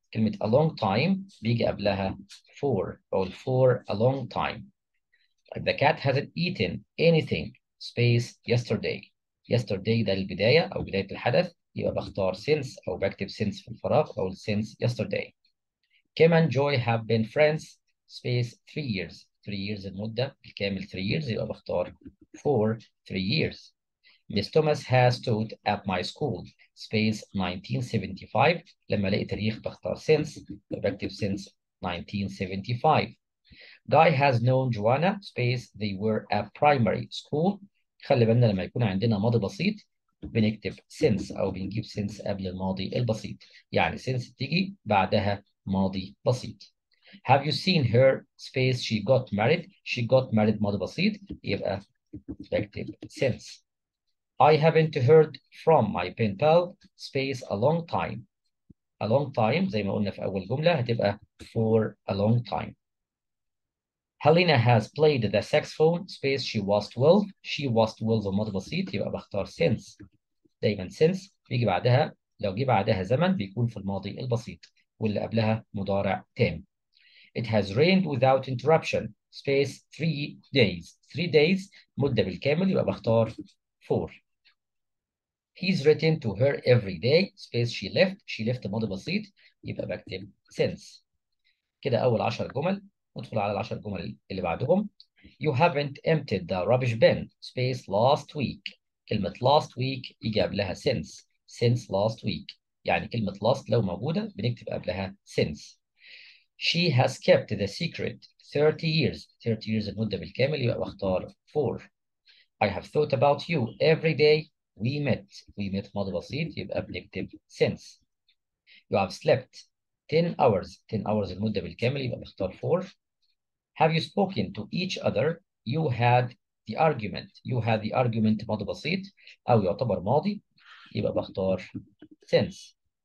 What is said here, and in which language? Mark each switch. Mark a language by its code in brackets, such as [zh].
[en] كلمة a long time [ar] بيجي قبلها [en] for، أو for a long time. The cat hasn't eaten anything space yesterday. [ar] Yesterday ده البداية أو بداية الحدث، يبقى بختار since أو بكتب since في الفراغ أو [en] since yesterday. Kim and Joy have been friends space 3 years. 3 years [ar] المدة بالكامل 3 years، يبقى بختار [en] for 3 years. Miss Thomas has taught at my school space 1975. [ar] لما الاقي تاريخ بختار since، بكتب since 1975. [en] Guy has known Joanna space they were at primary school. [ar] خلي بالنا لما يكون عندنا ماضي بسيط بنكتب since او بنجيب since قبل الماضي البسيط، يعني since تيجي بعدها ماضي بسيط. [en] Have you seen her space she got married? She got married [ar] ماضي بسيط، يبقى بكتب since. [en] I haven't heard from my pen pal space a long time. A long time [ar] زي ما قلنا في أول جملة هتبقى [en] for a long time. Helena has played the saxophone space she was 12. She was 12 [ar] ماضي بسيط، يبقى بختار since. دايما since بيجي بعدها، لو جه بعدها زمن بيكون في الماضي البسيط، واللي قبلها مضارع تام. [en] It has rained without interruption space 3 days. 3 days [ar] مدة بالكامل، يبقى بختار for. [en] He's written to her every day space she left. She left [ar] ماضي بسيط، يبقى بكتب since. كده أول 10 جمل. ندخل على العشر جمل اللي بعدهم. [en] You haven't emptied the rubbish bin space last week. [ar] كلمة [en] last week [ar] يجي قبلها since. [en] Since last week. [ar] يعني كلمة last لو موجودة بنكتب قبلها since. [en] She has kept the secret 30 years. 30 years [ar] المدة بالكامل، يبقى بختار for. [en] I have thought about you every day we met. We met [ar] ماضي بسيط، يبقى بنكتب since. [en] You have slept 10 hours. 10 hours [ar] المدة بالكامل، يبقى بختار for. [en] Have you spoken to each other? You had the argument. You had the argument [ar] ماضي بسيط أو يعتبر ماضي، يبقى بختار since.